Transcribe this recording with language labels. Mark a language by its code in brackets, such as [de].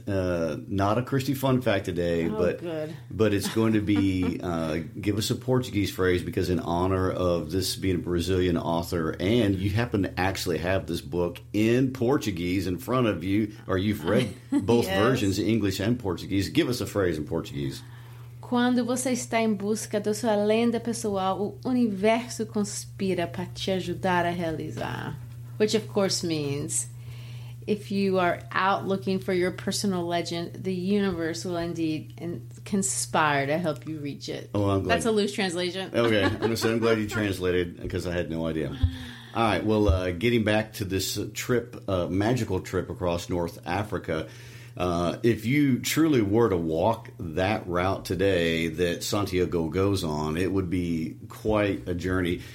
[en] Not a Christy fun fact today, but it's going to be, give us a Portuguese phrase, because in honor of this being a Brazilian author, and you happen to actually have this book in Portuguese in front of you, or you've read both yes. versions, English and Portuguese, give us a phrase in Portuguese. [pt] Quando você está em busca da sua lenda pessoal, o universo conspira para te ajudar a realizar. [en] Which, of course, means if you are out looking for your personal legend, the universe will indeed conspire to help you reach it. Oh, I'm glad. That's a loose translation. Okay. I'm glad you translated, because I had no idea. All right. Well, getting back to this trip, magical trip across North Africa, if you truly were to walk that route today that Santiago goes on, it would be quite a journey.